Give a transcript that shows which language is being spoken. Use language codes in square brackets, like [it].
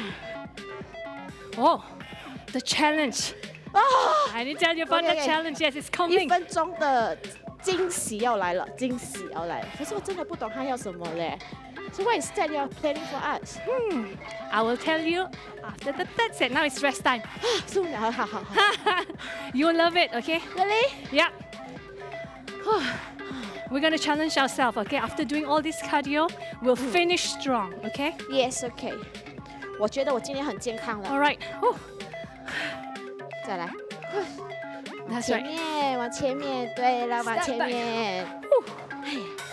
[zh] 一样哦，如果你觉得你手还没有准备好，你就叉腰的动作。到你的脚步其实稳定了，你再加上你的手部动作，好不好？哦、 [en] oh, ，the challenge， 哦， [zh] 你这样就放在 [en] challenge， yes， it's coming， [zh] 一分钟的惊喜要来了，惊喜要来了。可是我真的不懂他要什么嘞。 [en] So what is that you're planning for us? I will tell you after the third set. Now it's rest time. Soon, ha ha ha. You'll love it, okay? Really? Yeah. We're gonna challenge ourselves, okay? After doing all this cardio, we'll finish strong, okay? Yes, okay. [zh] 我觉得我今天很健康了. [en] All right. [zh] 再来. [en] That's right. [zh] 往前面，往前面，对了，往前面.